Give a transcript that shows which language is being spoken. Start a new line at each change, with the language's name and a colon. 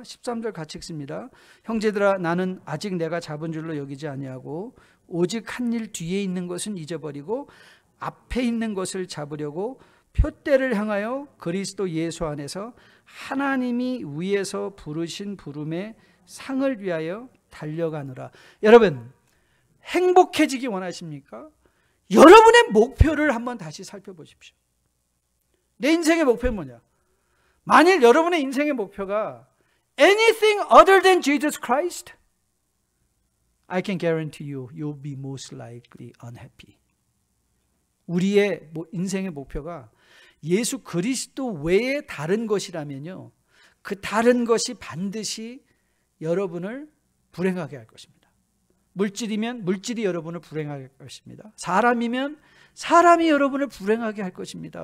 Korean: 13절 같이 읽습니다. 형제들아, 나는 아직 내가 잡은 줄로 여기지 아니하고 오직 한일 뒤에 있는 것은 잊어버리고 앞에 있는 것을 잡으려고 푯대를 향하여 그리스도 예수 안에서 하나님이 위에서 부르신 부름의 상을 위하여 달려가느라. 여러분, 행복해지기 원하십니까? 여러분의 목표를 한번 다시 살펴보십시오. 내 인생의 목표는 뭐냐? 만일 여러분의 인생의 목표가
English: anything other than Jesus Christ, I can guarantee you, you'll be most likely unhappy.
Korean: 우리의 인생의 목표가 예수 그리스도 외에 다른 것이라면요, 그 다른 것이 반드시 여러분을 불행하게 할 것입니다. 물질이면 물질이 여러분을 불행하게 할 것입니다. 사람이면 사람이 여러분을 불행하게 할 것입니다.